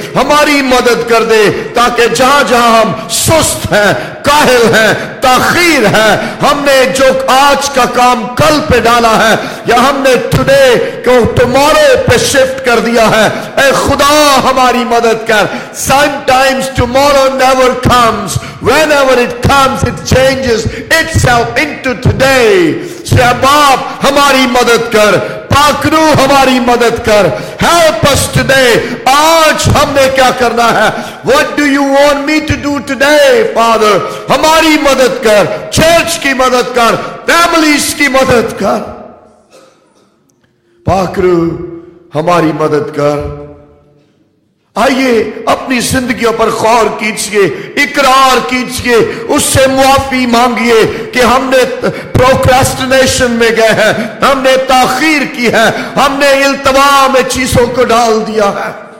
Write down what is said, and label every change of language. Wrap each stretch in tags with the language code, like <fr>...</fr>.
<ur>ہماری مدد کر دے تاکہ جہاں جہاں ہم سست ہیں, کاہل ہیں, تاخیر ہیں, ہم نے جو آج کا کام کل پہ ڈالا ہے یا ہم نے ٹوڈے کو ٹمارو پہ شفٹ کر دیا ہے, اے خدا ہماری مدد کر.</ur> <en>Some times tomorrow never comes, whenever it comes it changes itself into today.</en> <ur>سے باپ ہماری مدد کر, پاکرو ہماری مدد کر,</ur> <en>help us today.</en> <ur>آج ہم نے کیا کرنا ہے,</ur> <en>what do you want me to do today father.</en> <ur>ہماری مدد کر, چرچ کی مدد کر, families کی مدد کر, پاکرو ہماری مدد کر. آئیے اپنی زندگیوں پر غور کیجیے, اقرار کیجیے, اس سے معافی مانگیے کہ ہم نے پروکراسٹینیشن میں گئے ہیں, ہم نے تاخیر کی ہے, ہم نے التوا میں چیزوں کو ڈال دیا ہے.</ur>